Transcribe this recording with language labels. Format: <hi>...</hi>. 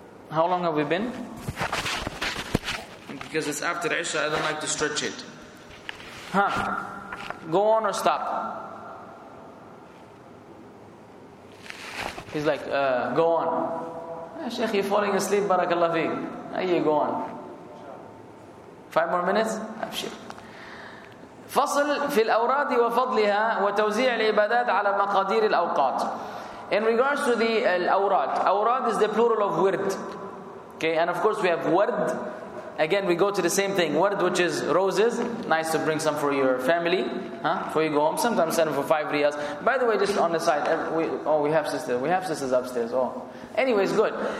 <en>How long have we been? Because it's after Isha, I don't like to stretch it. Huh? Go on or stop? He's like, go on. Sheikh, you're falling asleep, barakallah fiqh. Hey, go on. 5 more minutes? Abshir.</en> <ar>فصل في الأوراد وفضلها وتوزيع العبادات على مقادير الأوقات.</ar> <en>In regards to the أوراد, أوراد is the plural of ورد. Okay, and of course we have ورد again, we go to the same thing. Ward, which is roses. Nice to bring some for your family. Huh? Before you go home. Sometimes send them for 5 riyals. By the way, just on the side. We have sisters upstairs. Oh. Anyways, good.</en>